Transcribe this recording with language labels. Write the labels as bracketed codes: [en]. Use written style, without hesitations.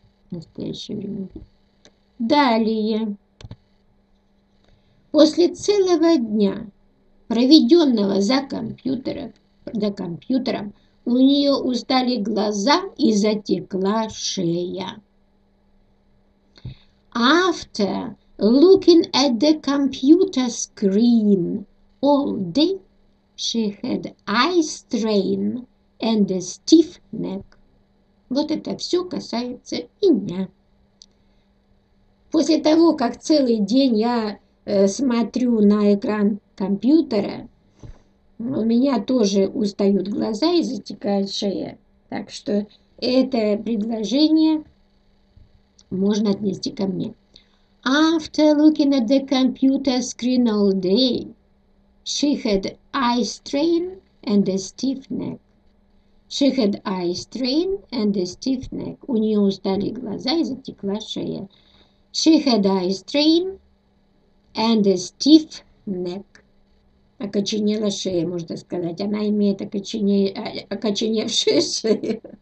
[ru] Настоящее время. Далее. После целого дня, проведенного за компьютером, у нее устали глаза и затекла шея. [en] After looking at the computer screen all day, she had eye strain and a stiff neck. [ru] Вот это все касается меня. После того, как целый день я смотрю на экран компьютера, у меня тоже устают глаза и затекает шея. Так что это предложение можно отнести ко мне. [en] After looking at the computer screen all day, she had eye strain and a stiff neck. She had eye strain and a stiff neck. [ru] У нее устали глаза и затекла шея. [en] She had eye strain and a stiff neck. [ru] Окоченела шея, можно сказать. Она имеет окоченевшую шею.